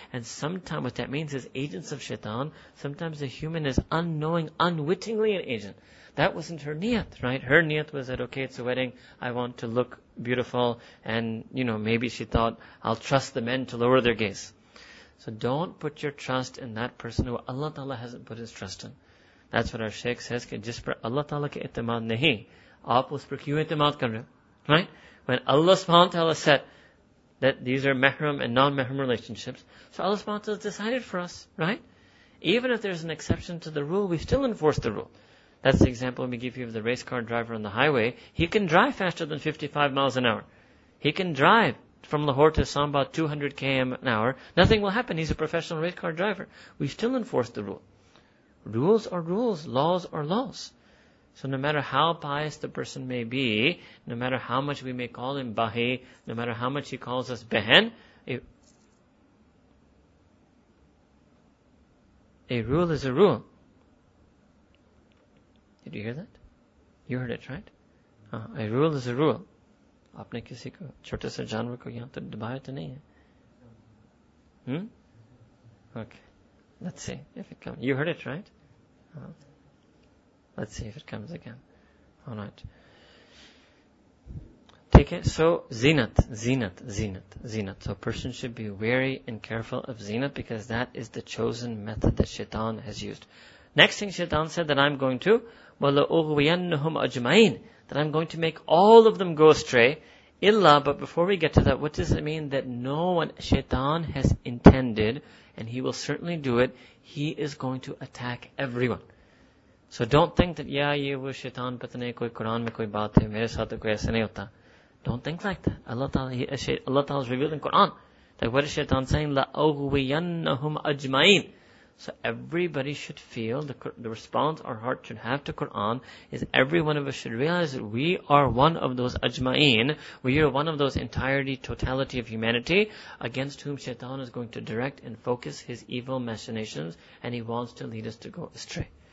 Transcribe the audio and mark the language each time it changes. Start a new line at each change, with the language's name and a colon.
English: And sometimes what that means is agents of shaitan. Sometimes a human is unknowing, unwittingly an agent. That wasn't her niyat, right? Her niyat was that, okay, it's a wedding, I want to look beautiful, and, you know, maybe she thought, I'll trust the men to lower their gaze. So don't put your trust in that person who Allah Ta'ala hasn't put his trust in. That's what our Shaykh says,
Urdu: کے جس پر اللہ تعالیٰ کے اعتماد نہیں، آپ اس پر کیوں اعتماد کر رہے،
English: right? When Allah subhanahu wa ta'ala said that these are mahram and non-mahram relationships, so Allah subhanahu wa ta'ala decided for us, right? Even if there's an exception to the rule, we still enforce the rule. That's the example we give you of the race car driver on the highway. He can drive faster than 55 miles an hour. He can drive from Lahore to Islamabad 200 km an hour. Nothing will happen. He's a professional race car driver. We still enforce the rule. Rules are rules, laws are laws. So no matter how pious the person may be, no matter how much we may call him Bahi, no matter how much he calls us Behen, a rule is a rule. Did you hear that? You heard it, right? A rule is a rule.
Urdu: آپنے کسی کو چھوٹے سے جانور کو یہاں تک دبایا تو نہیں ہے؟
English: Okay. Let's see if it comes. You heard it, right? Let's see if it comes again. All right. take it. So zinat. So a person should be wary and careful of zinat, because that is the chosen method that Shaitan has used. Next thing Shaitan said, that I'm going to,
Arabic: وَلَأُغْوِيَنَّهُمْ أَجْمَعِينَ,
English: that I'm going to make all of them go astray. Illa, but before we get to that, what does it mean that no one, Shaitan has intended, and he will certainly do it, he is going to attack everyone. So don't think that, yeah,
Urdu: یہ وہ شیطان پتا نہیں کوئی قرآن میں کوئی بات ہے، میرے ساتھ کوئی ایسا نہیں ہوتا.
English: Don't think like that. Allah Ta'ala has revealed in Quran that what is Shaitan saying?
Arabic: La ugwiyannahum ajmain.
English: So everybody should feel, the response our heart should have to Quran is every one of us should realize that we are one of those ajma'een, we are one of those entirety, totality of humanity against whom Shaitan is going to direct and focus his evil machinations, and he wants to lead us to go astray.